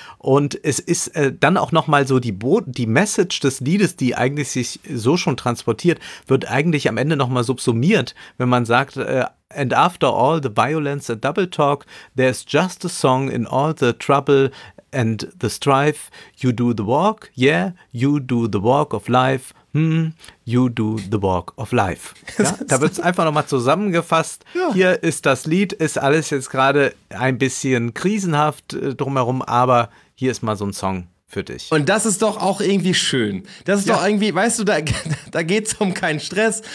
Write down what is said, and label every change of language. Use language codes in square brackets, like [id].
[de] Und es ist dann auch nochmal so, die Message des Liedes, die eigentlich sich so schon transportiert, wird eigentlich am Ende nochmal subsumiert, wenn man sagt, [en] and after all the violence and double talk, there's just a song in all the trouble and the strife. You do the walk, yeah, you do the walk of life. You do the walk of life. [de] Ja, da wird es einfach nochmal zusammengefasst. Ja. Hier ist das Lied, ist alles jetzt gerade ein bisschen krisenhaft drumherum, aber hier ist mal so ein Song für dich. Und das ist doch auch irgendwie schön. Das ist doch irgendwie, weißt du, da geht es um keinen Stress.